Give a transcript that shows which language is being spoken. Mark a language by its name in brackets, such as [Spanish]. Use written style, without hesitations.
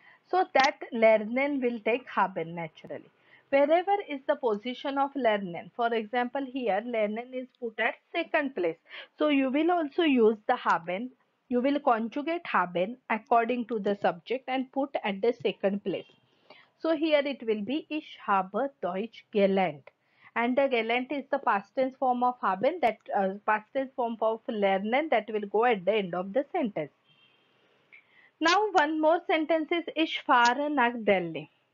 [English] So that lernen will take haben naturally. Wherever is the position of lernen? For example, here lernen is put at second place. So you will also use the haben. You will conjugate haben according to the subject and put at the second place. So here it will be [German] Ich habe Deutsch gelernt. [English] And gelernt is the past tense form of haben, that past tense form of lernen that will go at the end of the sentence. Now one more sentence is [German] Ich fahre nach Delhi.